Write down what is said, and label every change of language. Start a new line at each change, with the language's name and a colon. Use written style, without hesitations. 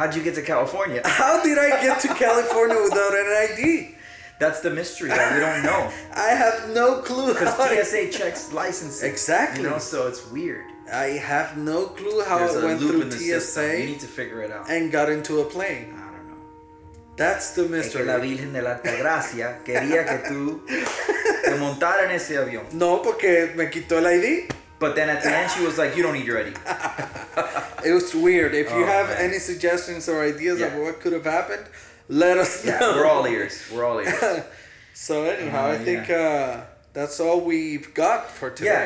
English: how'd you get to California? How did I get to California without an ID? That's the mystery that we don't know. I have no clue. Because TSA checks licenses. Exactly. You know, so it's weird. I have no clue how I went through TSA. You need to figure it out. And got into a plane. I don't know. That's the mystery.
Spanish: Es que la Virgen de la Altagracia quería que tú te montara en ese avión. No, porque me quitó el ID.
English: But then at the end, she was like, you don't need your ID. It was weird. If you have any suggestions or ideas of what could have happened, let us know. Yeah, we're all ears. We're all ears. So anyhow, I think that's all we've got for today.